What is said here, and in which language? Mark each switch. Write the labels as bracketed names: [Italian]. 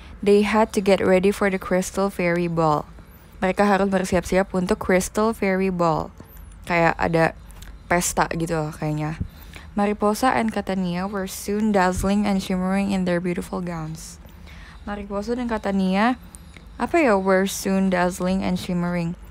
[English] They had to get ready for the crystal fairy ball. [Indonesian] Mereka harus bersiap-siap untuk crystal fairy ball. Kayak ada pesta gitu loh kayaknya. [English] Mariposa and Catania were soon dazzling and shimmering in their beautiful gowns. Mariposa dan Catania, [Indonesian] apa ya, [English] were soon dazzling and shimmering.